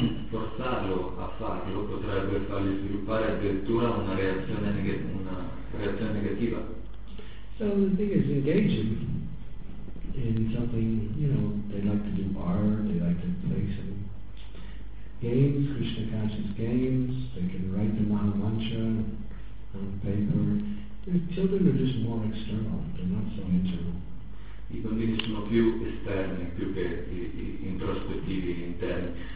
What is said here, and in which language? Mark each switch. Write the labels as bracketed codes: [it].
[it] Forzarlo a farlo potrebbe fargli sviluppare addirittura una reazione negativa. [en] So the thing is engaging in something, you know, they like to do art, they like to play some games, Krishna conscious games, they can write the mana mantra on paper. The children are just more external, they're not so internal. [it] I bambini sono più esterni più che introspettivi interni.